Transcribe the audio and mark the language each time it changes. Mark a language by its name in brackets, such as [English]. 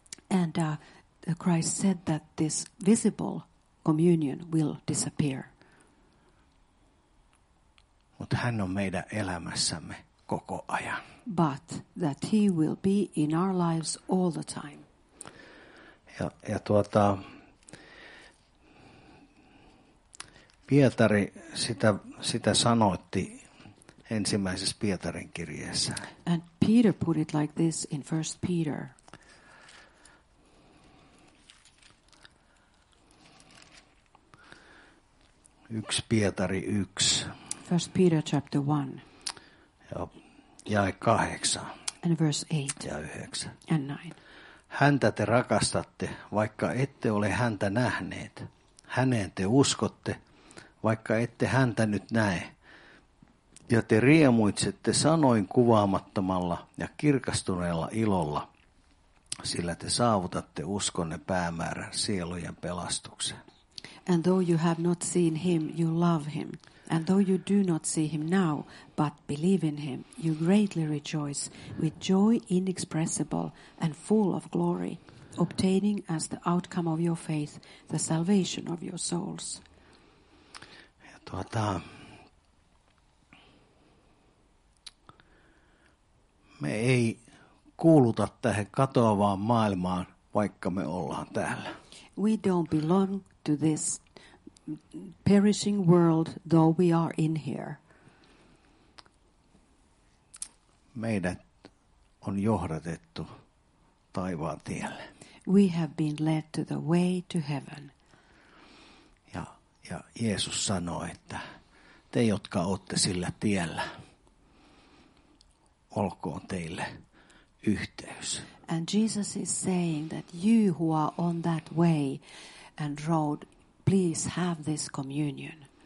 [English] And Christ said that this visible communion will disappear. [Finnish] Mutta hän on meidän elämässämme koko ajan. [English] But that he will be in our lives all the time. [Finnish] Ja Pietari sitä sanoitti ensimmäisessä Pietarin kirjeessä. [English] And Peter put it like this in 1 Peter. [Finnish] Yksi Pietari 1. [English] 1 Peter chapter 1. [Finnish] Ja jae 8. [English] And verse 8. [Finnish] Ja 9. [English] And 9. [Finnish] Häntä te rakastatte, vaikka ette ole häntä nähneet. Häneen te uskotte, vaikka ette häntä nyt näe. Ja te riemuitsette sanoin kuvaamattomalla ja kirkastuneella ilolla, sillä te saavutatte uskonne päämäärän sielujen pelastuksen. [English] And though you have not seen him, you love him. And though you do not see him now, but believe in him, you greatly rejoice with joy inexpressible and full of glory, obtaining as the outcome of your faith the salvation of your souls. [Finnish] Me ei kuuluta tähän katoavaan maailmaan, vaikka me ollaan täällä. [English] We don't belong to this perishing world, though we are in here. [Finnish] Meidät on johdatettu taivaan tielle. [English] We have been led to the way to heaven. [Finnish] Ja Jeesus sanoi, että te, jotka olette sillä tiellä, olkoon teille yhteys. [English] And Jesus is saying that you who are on that way and road, please have this communion.